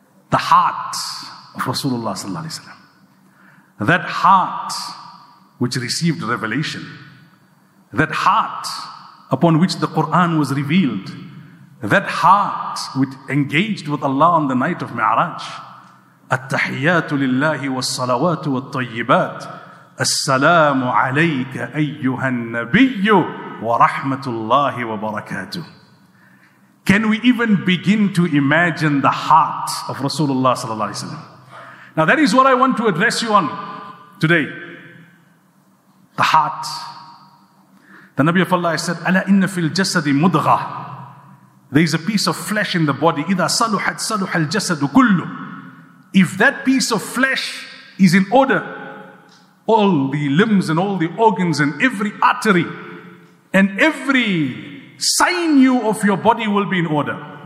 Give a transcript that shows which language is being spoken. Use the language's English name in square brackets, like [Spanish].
[English] The heart of Rasulullah sallallahu alaihi wasallam, that heart which received revelation, that heart upon which the Quran was revealed, that heart which engaged with Allah on the night of Mi'raj. [Arabic] التحيات لله والصلوات والطيبات السلام عليك أيها النبي ورحمة الله وبركاته. [English] Can we even begin to imagine the heart of Rasulullah sallallahu alaihi wasallam? Now that is what I want to address you on today. The heart. The Nabi of Allah said, [Arabic] ألا إن في الجسد مضغة. [English] There is a piece of flesh in the body. [Arabic] إذا صلحت صلح الجسد كله. [English] If that piece of flesh is in order, all the limbs and all the organs and every artery and every sinew of your body will be in order.